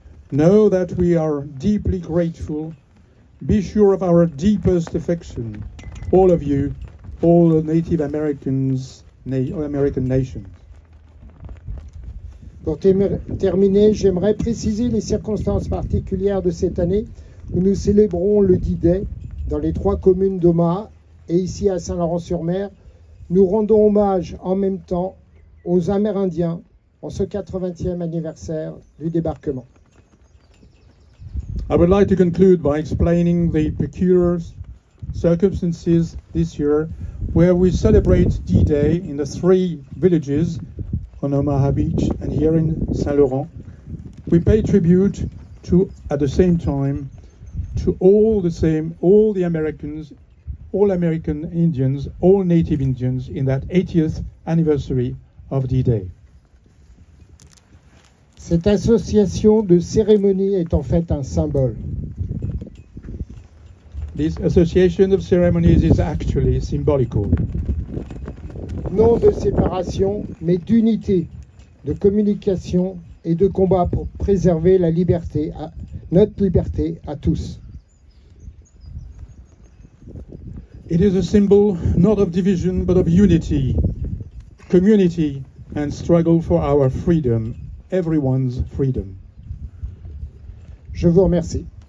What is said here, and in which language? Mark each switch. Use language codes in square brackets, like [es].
[en] Know that we are deeply grateful. Be sure of our deepest affection, all of you, all the Native Americans, American nations. [fr] Pour terminer, j'aimerais préciser les circonstances particulières de cette année où nous célébrons le D-Day dans les trois communes d'Omaha et ici à Saint-Laurent-sur-Mer. Nous rendons hommage en même temps aux Amérindiens en ce 80e anniversaire du débarquement. [en] I would like to conclude by explaining the peculiar circumstances this year where we celebrate D-Day in the three villages on Omaha Beach and here in Saint-Laurent. We pay tribute to, at the same time, to all the Americans, all American Indians, all Native Indians in that 80th anniversary of D-Day. [fr] Cette association de cérémonie est en fait un symbole. [en] This association of ceremonies is actually symbolical. [fr] Non de séparation, mais d'unité, de communication et de combat pour préserver la liberté, notre liberté à tous. [en] It is a symbol not of division, but of unity, community and struggle for our freedom, everyone's freedom. [fr] Je vous remercie.